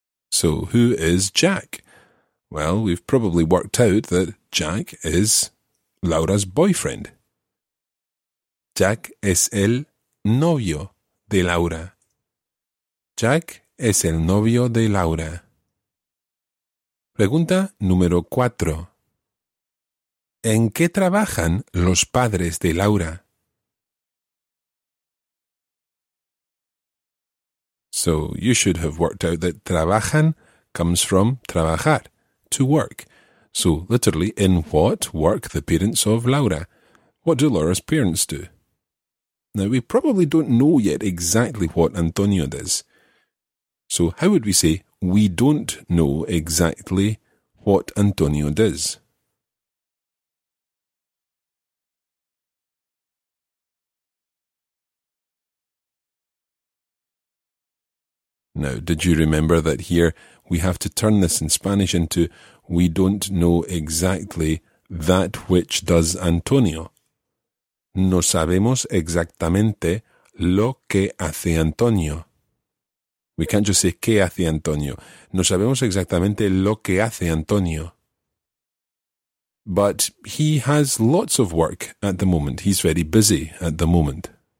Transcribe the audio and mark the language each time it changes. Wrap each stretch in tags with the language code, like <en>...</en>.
<en>So, who is Jack? Well, we've probably worked out that Jack is Laura's boyfriend.</en> <es>Jack es el novio de Laura. Jack es el novio de Laura. Pregunta número 4. ¿En qué trabajan los padres de Laura?</es> <en>So you should have worked out that trabajan comes from trabajar, to work. So literally, in what work the parents of Laura? What do Laura's parents do? Now we probably don't know yet exactly what Antonio does. So how would we say we don't know exactly what Antonio does? Now, did you remember that here we have to turn this in Spanish into we don't know exactly that which does Antonio?</en> <es>No sabemos exactamente lo que hace Antonio.</es> <en>We can't just say</en> <es>qué hace Antonio. No sabemos exactamente lo que hace Antonio.</es> <en>But he has lots of work at the moment. He's very busy at the moment.</en>